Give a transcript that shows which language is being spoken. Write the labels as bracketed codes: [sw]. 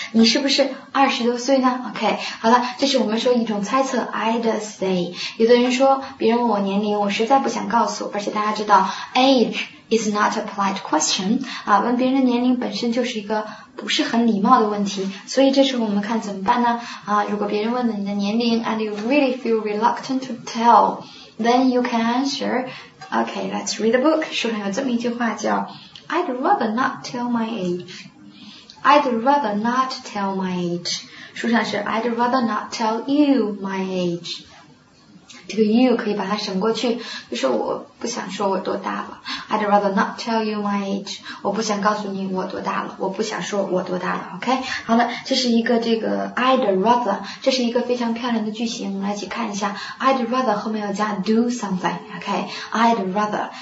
[zh] 你是不是20多岁呢？OK, 好了，这是我们说一种猜测 [en] I'd say. [zh] 有的人说别人问我年龄我实在不想告诉，而且大家知道 [en] age is not a polite question. [zh] 啊，问别人的年龄本身就是一个不是很礼貌的问题，所以这时候我们看怎么办呢？ [en] 啊， [zh] 如果别人问了你的年龄 [en] and you really feel reluctant to tell, then you can answer. OK, let's read the book. [zh] 书上有这么一句话叫 [en] I'd rather not tell my age. I'd rather not tell my age. [zh] 书上是 [en] I'd rather not tell you my age. [zh] 这个 you 可以把它省过去，就是我不想说我多大了。 [en] I'd rather not tell you my age. [zh] 我不想告诉你我多大了，我不想说我多大了。 OK, 好了，这是一个这个 I'd rather, 这是一个非常漂亮的句型，我们来一起看一下。 [en] I'd rather [zh] 后面要加 [en] do something. OK, I'd rather.